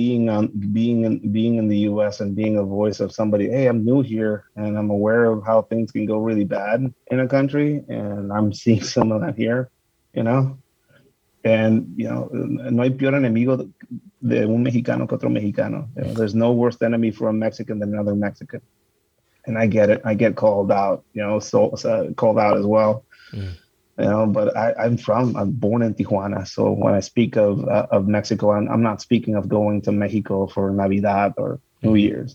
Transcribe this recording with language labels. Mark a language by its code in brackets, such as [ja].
[en] And being in the U.S. and being a voice of somebody, hey, I'm new here and I'm aware of how things can go really bad in a country. And I'm seeing some of that here, you know. And, you know, [es] no hay peor enemigo de un mexicano que otro mexicano. [en] You know, there's no worse enemy for a Mexican than another Mexican. And I get it. I get called out, you know, called out as well. Mm. You know, but I'm born in Tijuana. So when I speak of Mexico, I'm not speaking of going to Mexico for Navidad or New Year's.